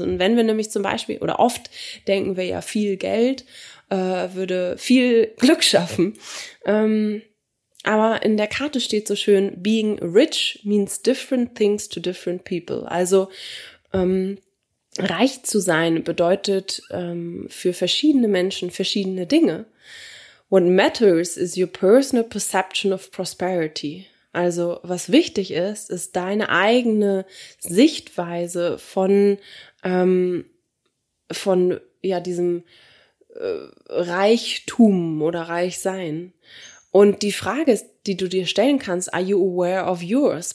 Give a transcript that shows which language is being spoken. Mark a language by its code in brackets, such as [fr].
[de] Und wenn wir nämlich zum Beispiel, oder oft denken wir ja, viel Geld würde viel Glück schaffen, aber in der Karte steht so schön, being rich means different things to different people. Also reich zu sein bedeutet für verschiedene Menschen verschiedene Dinge. [en] What matters is your personal perception of prosperity. [de] Also was wichtig ist, ist deine eigene Sichtweise von diesem Reichtum oder Reichsein. Und die Frage, die du dir stellen kannst, are you aware of yours?